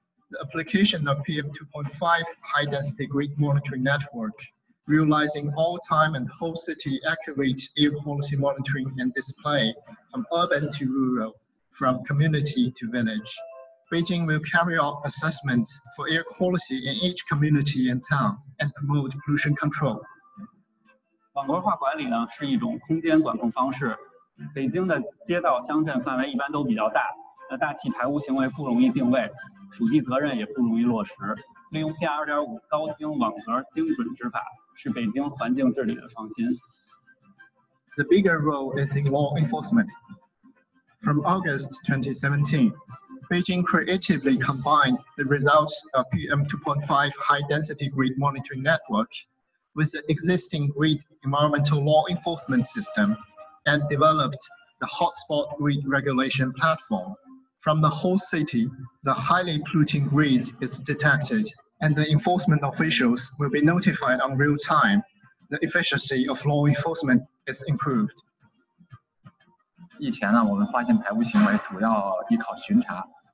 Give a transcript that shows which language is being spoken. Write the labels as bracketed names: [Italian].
[English] The application of PM2.5 high density grid monitoring network, realizing all time and whole city accurate air quality monitoring and display from urban to rural, from community to village. Beijing will carry out assessments for air quality in each community and town and promote pollution control. [Chinese] 网络化管理呢, 是一种空间管控方式。北京的街道乡镇范围一般都比较大, 大气排污行为不容易定位, 属地责任也不容易落实。利用PM2.5 高精网格精准执法, 是北京环境治理的创新。 [English] The bigger role is in law enforcement. From August 2017, Beijing creatively combined the results of PM2.5 high-density grid monitoring network with the existing grid environmental law enforcement system and developed the hotspot grid regulation platform. From the whole city, the highly polluting grid is detected and the enforcement officials will be notified in real time. The efficiency of law enforcement is improved. [Chinese] 以前呢,我们发现排污行为主要依靠巡查。